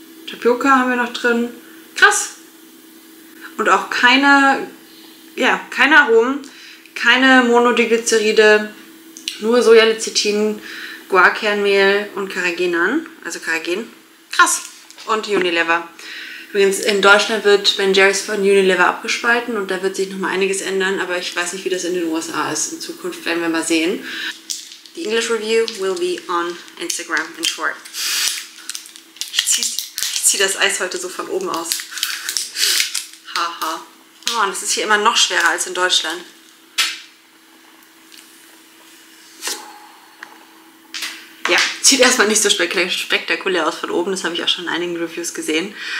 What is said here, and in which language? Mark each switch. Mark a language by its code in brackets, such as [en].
[de] Tapioca haben wir noch drin. Krass! Und auch keine Aromen, keine Monodiglyceride, nur Sojalecithin, Guarkernmehl und Carrageenan. Also Carrageen. Krass. Und Unilever. Übrigens, in Deutschland wird Ben Jerry's von Unilever abgespalten und da wird sich nochmal einiges ändern, aber ich weiß nicht, wie das in den USA ist. In Zukunft werden wir mal sehen. [en] The English Review will be on Instagram in short. [de] Ich zieh das Eis heute so von oben aus. Haha. Ha. Oh, und es ist hier immer noch schwerer als in Deutschland. Ja, sieht erstmal nicht so spektakulär aus von oben, das habe ich auch schon in einigen Reviews gesehen.